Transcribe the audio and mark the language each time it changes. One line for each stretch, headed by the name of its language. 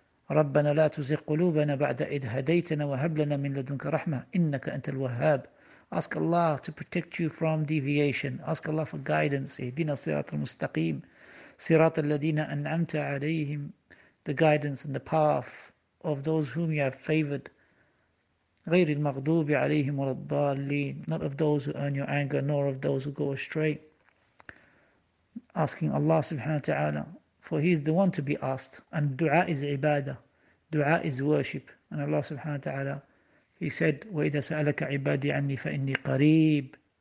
Arabic: رَبَّنَا لَا تُزِغْ قُلُوبَنَا بَعْدَ إِذْ هَدَيْتَنَا وَهَبْ لَنَا مِنْ لَدُنْكَ رَحْمَةً إِنَّكَ أَنْتَ الْوَهَّابُ.
English: Ask Allah to protect you from deviation. Ask Allah for guidance.
Arabic: اِهْدِنَا الصِّرَاطَ الْمُسْتَقِيمَ صِرَاطَ الَّذِينَ أَنْعَمْتَ عَلَيْهِمْ.
English: The guidance and the path of those whom you have favored.
Arabic: غير المغضوب عليهم ولا الضالين.
English: Not of those who earn your anger, nor of those who go astray. Asking Allah subhanahu wa ta'ala, for He is the one to be asked. And dua is ibadah. Dua is worship. And Allah subhanahu wa ta'ala, He said,
Arabic: وَإِذَا سَأَلَكَ عِبَادِي عَنِّي فَإِنِّي قَرِيبٌ.